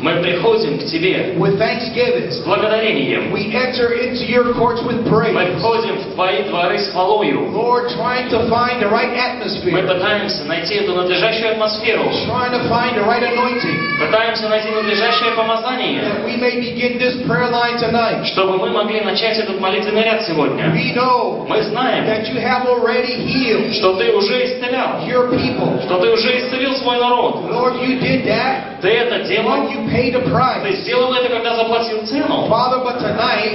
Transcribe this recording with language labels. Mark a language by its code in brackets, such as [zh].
[ru] Мы приходим к тебе. [en] With thanksgiving. [ru] С благодарением. [en] We enter into your courts with praise. [ru] Мы входим в твои дворы с хвалою. [en] Lord, trying to find the right atmosphere. [ru] Мы пытаемся найти эту надлежащую атмосферу. [en] Trying to find the right anointing. [ru] Пытаемся найти надлежащее помазание. [en] That we may begin this prayer line tonight. [ru] Чтобы мы могли начать этот молитвенный ряд сегодня. [en] We know. [ru] Мы знаем. [en] That you have already healed. [ru] Что ты уже исцелял. [en] Your people. [ru] Что ты уже исцелил свой народ. [en] Lord, you did that. [ru] Ты это делал. [en] You paid a price. [ru] Ты сделал это, когда заплатил цену. [en] Father, but tonight.